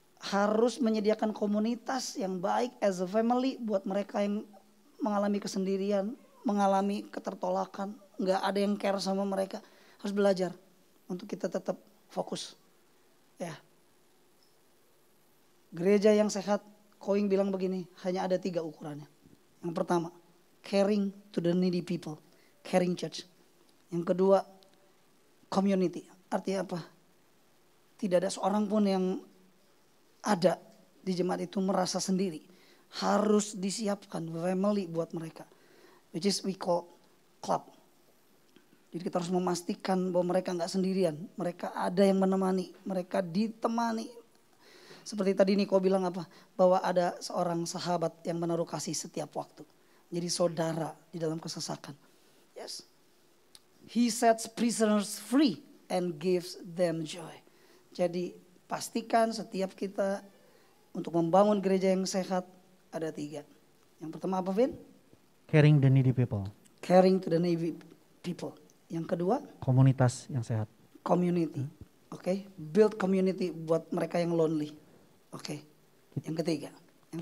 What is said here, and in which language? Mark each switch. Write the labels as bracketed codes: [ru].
[id] Harus menyediakan komunitas yang baik [en] as a family [id] buat mereka yang mengalami kesendirian, mengalami ketertolakan, gak ada yang [en] care [id] sama mereka. Harus belajar untuk kita tetap fokus. Ya. Gereja yang sehat, Kowing bilang begini, hanya ada tiga ukurannya. Yang pertama, [en] caring to the needy people, caring church. [id] Yang kedua, community. Artinya apa? Tidak ada seorang pun yang ada di jemaat itu merasa sendiri. Harus disiapkan [en] family [id] buat mereka. [en] Which is we call club. [id] Jadi kita harus memastikan bahwa mereka gak sendirian. Mereka ada yang menemani, mereka ditemani. Seperti tadi Niko bilang apa? Bahwa ada seorang sahabat yang menaruh kasih setiap waktu. Jadi saudara di dalam kesesakan. [en] Yes. He sets prisoners free and gives them joy. [id] Jadi pastikan setiap kita untuk membangun gereja yang sehat ada tiga. Yang pertama apa, Vin? [en] Caring the needy people. Caring to the needy people. [id] Yang kedua? Komunitas yang sehat. [en] Community. [id] Oke. [en] Okay. Build community [id] buat mereka yang [en] lonely. [id] Oke, [en] okay. [id] Yang ketiga. Yang